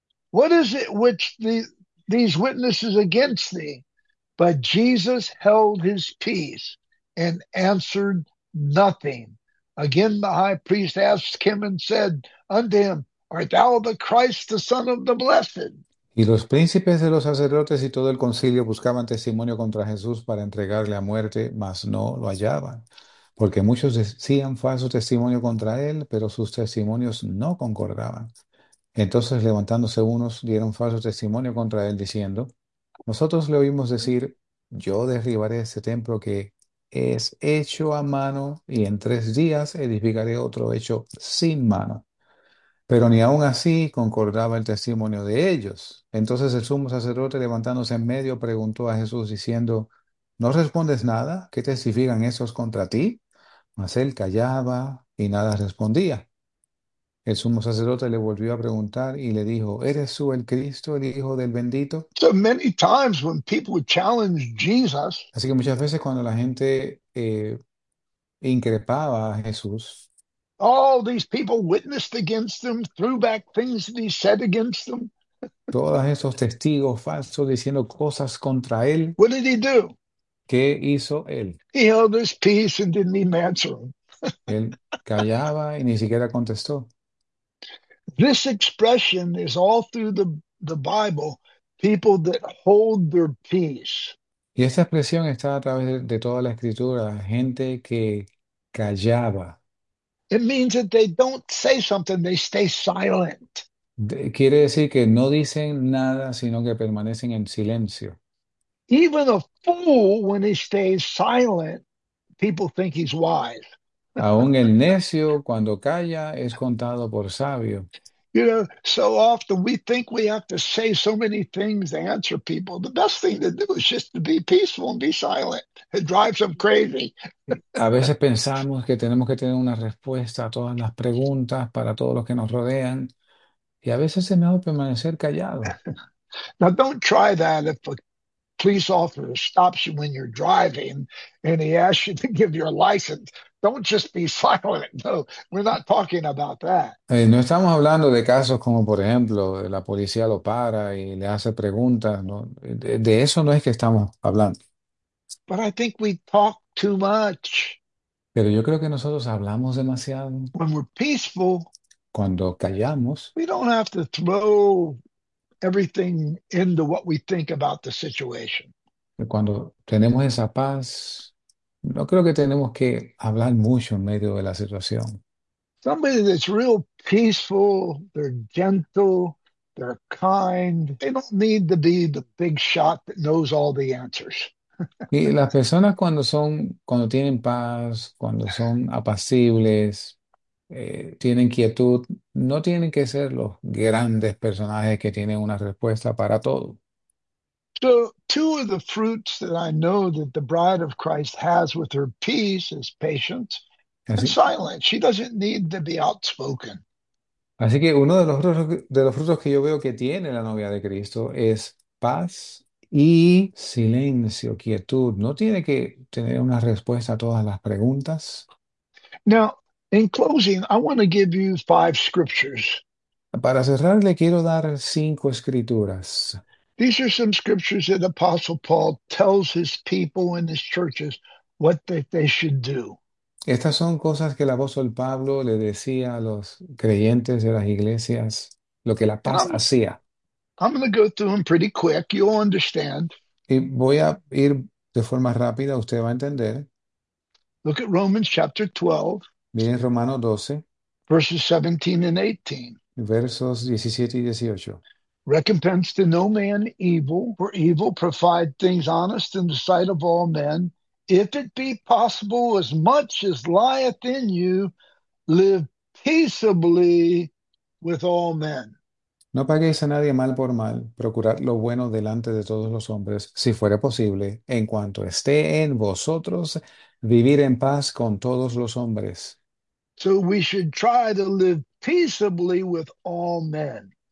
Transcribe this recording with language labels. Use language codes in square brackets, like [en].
[en] What is it which these witnesses against thee?" But Jesus held his peace and answered nothing. Again the high priest asked him and said unto him, "Art thou the Christ, the Son of the Blessed?" [es] Y los príncipes de los sacerdotes y todo el concilio buscaban testimonio contra Jesús para entregarle a muerte, mas no lo hallaban, porque muchos decían falso testimonio contra él, pero sus testimonios no concordaban. Entonces, levantándose unos, dieron falso testimonio contra él, diciendo: Nosotros le oímos decir, yo derribaré este templo que es hecho a mano, y en 3 días edificaré otro hecho sin mano. Pero ni aun así concordaba el testimonio de ellos. Entonces el sumo sacerdote, levantándose en medio, preguntó a Jesús, diciendo: ¿No respondes nada? ¿Qué testifican esos contra ti? Mas él callaba y nada respondía. El sumo sacerdote le volvió a preguntar y le dijo: ¿Eres tú el Cristo, el Hijo del Bendito? [en] So many times when people would challenge Jesus, [es] Así que muchas veces cuando la gente increpaba a Jesús, [en] all these people witnessed against them, threw back things that he said against them. [es] todos esos testigos falsos diciendo cosas contra él, [en] What did he do? [es] ¿qué hizo él? [en] He held his peace and didn't even answer them. [es] Él callaba y ni siquiera contestó. [en] This expression is all through the Bible. People that hold their peace. [es] Y esta expresión está a través de toda la escritura, gente que callaba. [en] It means that they don't say something, they stay silent. [es] Quiere decir que no dicen nada, sino que permanecen en silencio. [en] Even a fool, when he stays silent, people think he's wise. [es] Aún el necio, cuando calla, es contado por sabio. [en] So often we think we have to say so many things to answer people. The best thing to do is just to be peaceful and be silent. It drives them crazy. [es] A veces pensamos que tenemos que tener una respuesta a todas las preguntas para todo lo que nos rodean, y a veces es mejor permanecer callado. [en] Now, don't try that if a police officer stops you when you're driving and he asks you to give your license. Don't just be silent. No, we're not talking about that. [es] No estamos hablando de casos como, por ejemplo, la policía lo para y le hace preguntas, ¿no? De eso no es que estamos hablando. [en] But I think we talk too much. [es] Pero yo creo que nosotros hablamos demasiado. [en] When we're peaceful, [es] Cuando callamos, [en] we don't have to throw everything into what we think about the situation. [es] cuando tenemos esa paz, no creo que tenemos que hablar mucho en medio de la situación. [en] Somebody that's real peaceful, they're gentle, they're kind, they don't need to be the big shot that knows all the answers. [es] Y las personas cuando tienen paz, cuando son apacibles, tienen quietud, no tienen que ser los grandes personajes que tienen una respuesta para todo. [en] So, two of the fruits that I know that the bride of Christ has with her peace is patience and [es] Así. [en] silence. She doesn't need to be outspoken. [es] Así que uno de los frutos que yo veo que tiene la novia de Cristo es paz. Y silencio, quietud. ¿No tiene que tener una respuesta a todas las preguntas? [en] Now, in closing, I want to give you five scriptures. [es] Para cerrar, le quiero dar cinco escrituras. [en] These are some scriptures that Apostle Paul tells his people and his churches what they should do. [es] Estas son cosas que el apóstol Pablo le decía a los creyentes de las iglesias, lo que la [en] And [es] paz hacía. [en] I'm going to go through them pretty quick. You'll understand. [es] Y voy a ir de forma rápida, usted va a entender. [en] Look at Romans chapter 12, [es] Miren Romanos 12, [en] verses 17 and 18. [es] versos 17 y 18. [en] Recompense to no man evil, for evil provide things honest in the sight of all men. If it be possible, as much as lieth in you, live peaceably with all men. [es] No paguéis a nadie mal por mal, procurad lo bueno delante de todos los hombres, si fuere posible, en cuanto esté en vosotros, vivir en paz con todos los hombres. [en] So we should try to live peaceably with all men.